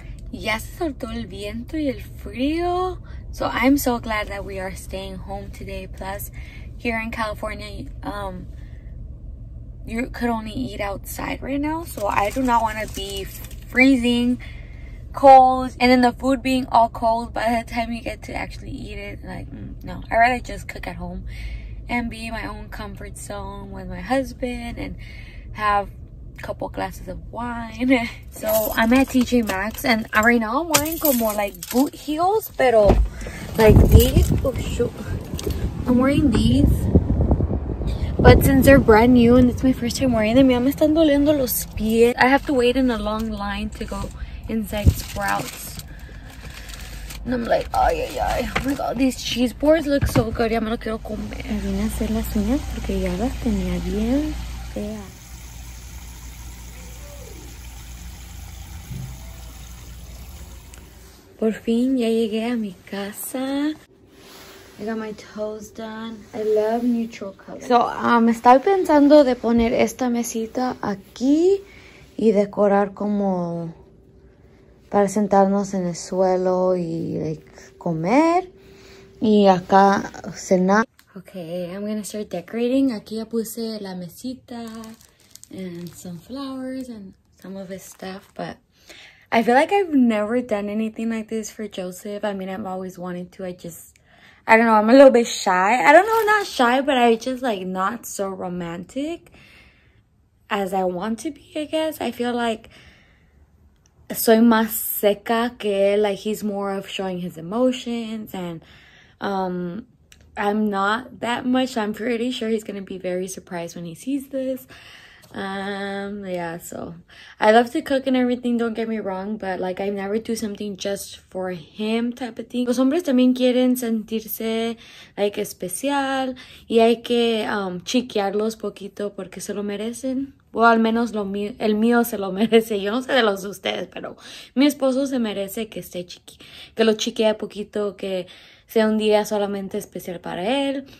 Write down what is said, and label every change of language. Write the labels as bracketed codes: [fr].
[es] Ya se soltó el viento y el frío. [en] So I'm so glad that we are staying home today. Plus, here in California, you could only eat outside right now. So I do not want to be freezing cold and then the food being all cold by the time you get to actually eat it. Like, no, I'd rather just cook at home and be in my own comfort zone with my husband and have a couple glasses of wine. So I'm at TJ Maxx and right now I'm wearing como like boot heels, pero like these. Oh shoot, I'm wearing these, but since they're brand new and it's my first time wearing them, [es] ya me están doliendo los pies. [en] I have to wait in a long line to go inside Sprouts and I'm like, ay, ay, ay. Oh my god, these cheese boards look so good. [es] Ya me lo quiero comer. Me vine a hacer las uñas porque ya las tenía bien feas. Por fin, ya llegué a mi casa. [en] I got my toes done. I love neutral colors. [es] So, me estaba pensando de poner esta mesita aquí y decorar como para sentarnos en el suelo y like, comer. Y acá cenar. [en] Okay, I'm gonna start decorating. [es] Aquí ya puse la mesita [en] and some flowers and some of his stuff, but I feel like I've never done anything like this for Joseph. I mean, I've always wanted to. I don't know. I'm a little bit shy. I don't know, not shy, but I just like not so romantic as I want to be, I guess. I feel like [es] soy más seca que él. [en] Like he's more of showing his emotions and I'm not that much. I'm pretty sure he's going to be very surprised when he sees this. Yeah, so I love to cook and everything, don't get me wrong, but like I never do something just for him type of thing. [es] Los hombres también quieren sentirse like especial y hay que chiquearlos poquito porque se lo merecen. O al menos el mío se lo merece. Yo no sé de los de ustedes, pero mi esposo se merece que esté chiqui, que lo chiquee poquito, que sea un día solamente especial para él.